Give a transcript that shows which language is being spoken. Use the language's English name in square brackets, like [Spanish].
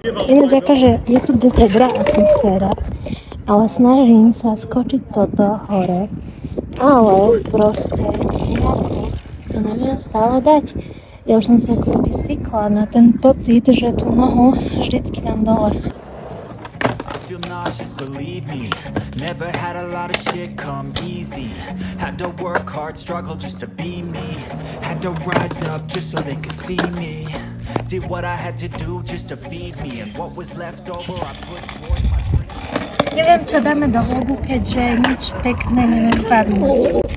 [Slovak] Ináč akože je tu dosť dobrá atmosféra, ale snažím sa skočiť toto hore, ale proste nejako to neviem stále dať. Ja už som sa ako keby zvykla na ten pocit, že tú nohu vždycky dám dole. [English] Feel nauseous, believe me. Never had a lot of shit come easy. Had to work hard, struggle just to be me. Had to rise up just so they could see me. Did what I had to do just to feed me. And what was left over, I put towards my dreams. [Slovak] Neviem, čo dáme do vlogu, keďže nič pekné neviem padnú.